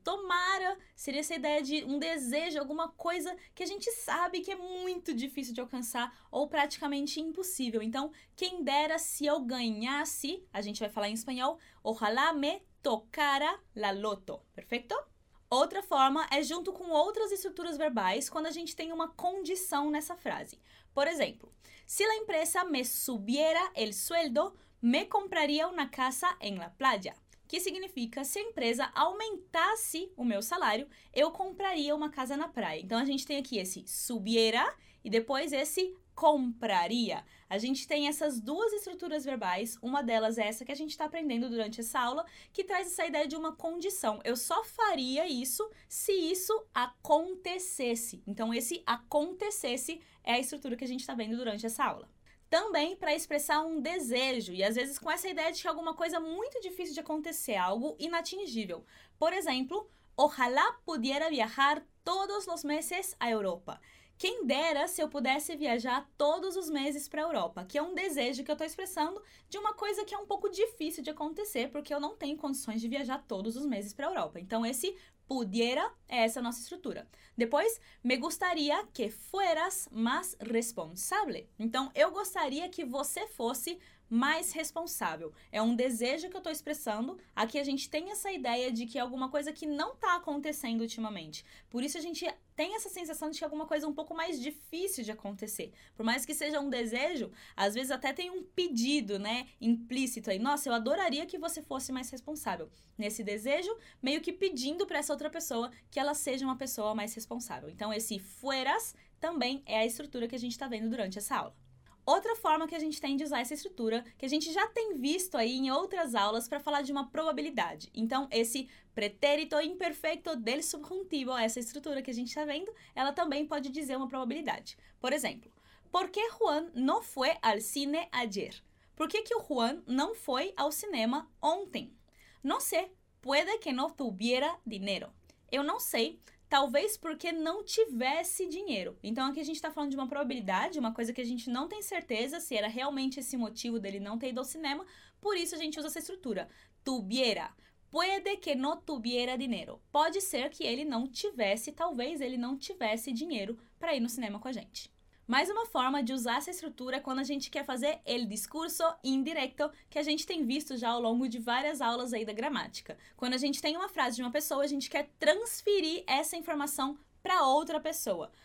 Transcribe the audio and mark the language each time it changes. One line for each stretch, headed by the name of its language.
Portuguese: Tomara, seria essa ideia de um desejo, alguma coisa que a gente sabe que é muito difícil de alcançar ou praticamente impossível. Então, quem dera se eu ganhasse, a gente vai falar em espanhol,
Spanish: ojalá me tocara la loto,
Portuguese: perfeito? Outra forma é junto com outras estruturas verbais quando a gente tem uma condição nessa frase. Por exemplo,
Spanish: si la empresa me subiera el sueldo, me compraría una casa en la playa.
Portuguese: Que significa, se a empresa aumentasse o meu salário, eu compraria uma casa na praia. Então, a gente tem aqui esse subiera e depois esse compraria. A gente tem essas duas estruturas verbais, uma delas é essa que a gente está aprendendo durante essa aula, que traz essa ideia de uma condição. Eu só faria isso se isso acontecesse. Então, esse acontecesse é a estrutura que a gente está vendo durante essa aula. Também para expressar um desejo, e às vezes com essa ideia de que alguma coisa muito difícil de acontecer, algo inatingível. Por exemplo,
Spanish: ojalá pudiera viajar todos los meses a Europa.
Portuguese: Quem dera se eu pudesse viajar todos os meses para a Europa, que é um desejo que eu estou expressando de uma coisa que é um pouco difícil de acontecer, porque eu não tenho condições de viajar todos os meses para a Europa. Então, esse pudiera é essa nossa estrutura.
Spanish: Depois, me gustaría que fueras más responsable.
Portuguese: Então, eu gostaria que você fosse mais responsável. É um desejo que eu estou expressando. Aqui a gente tem essa ideia de que é alguma coisa que não está acontecendo ultimamente. Por isso a gente tem essa sensação de que é alguma coisa um pouco mais difícil de acontecer. Por mais que seja um desejo, às vezes até tem um pedido, né, implícito aí. Nossa, eu adoraria que você fosse mais responsável. Nesse desejo, meio que pedindo para essa outra pessoa que ela seja uma pessoa mais responsável. Então, esse fueras também é a estrutura que a gente está vendo durante essa aula. Outra forma que a gente tem de usar essa estrutura, que a gente já tem visto aí em outras aulas, para falar de uma probabilidade. Então, esse pretérito imperfeito del subjuntivo, essa estrutura que a gente está vendo, ela também pode dizer uma probabilidade. Por exemplo,
Spanish: por que Juan no fue al cine ayer?
Portuguese: Por que que o Juan não foi ao cinema ontem?
Spanish: No sé, puede que no tuviera dinero.
Portuguese: Eu não sei. Talvez porque não tivesse dinheiro. Então, aqui a gente está falando de uma probabilidade, uma coisa que a gente não tem certeza se era realmente esse motivo dele não ter ido ao cinema. Por isso, a gente usa essa estrutura.
Spanish: Tuviera. Puede que no tuviera dinero.
Portuguese: Pode ser que ele não tivesse, talvez ele não tivesse dinheiro para ir no cinema com a gente. Mais uma forma de usar essa estrutura é quando a gente quer fazer el discurso indirecto, que a gente tem visto já ao longo de várias aulas aí da gramática. Quando a gente tem uma frase de uma pessoa, a gente quer transferir essa informação para outra pessoa.